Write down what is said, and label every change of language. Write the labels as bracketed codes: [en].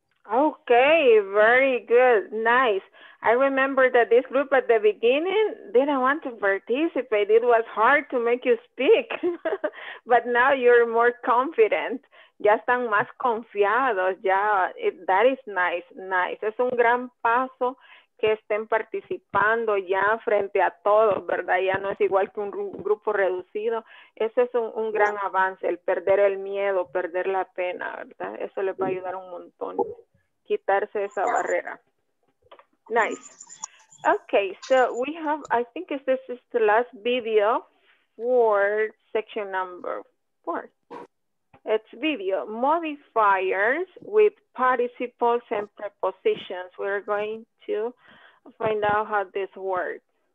[en] Okay, very good, nice. I remember that this group at the beginning didn't want to participate. It was hard to make you speak, but now you're more confident. [es] Ya están más confiados, ya. [en] It, that is nice, nice. [es] Es un gran paso que estén participando ya frente a todos, ¿verdad? Ya no es igual que un grupo reducido. Ese es un gran avance, el perder el miedo, perder la pena, ¿verdad? Eso les va a ayudar un montón, quitarse esa barrera. [en] Nice. Okay, so we have, I think this is the last video for section number four. It's video modifiers with participles and prepositions. We're going to find out how this works.